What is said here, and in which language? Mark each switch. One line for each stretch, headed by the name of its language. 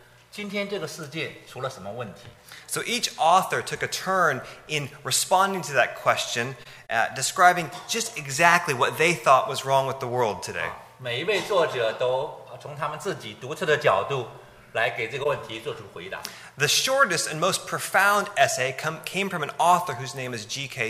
Chinese: 这个问题就是他们要回答的问题，就是今天这个世界出了什么问题？
English: So each author took a turn in responding to that question, describing just exactly what they thought was wrong with the world today.
Chinese: 每一位作者都从他们自己独特的角度来给这个问题做出回答。
English: The shortest and most profound essay came from an author whose name is G.K.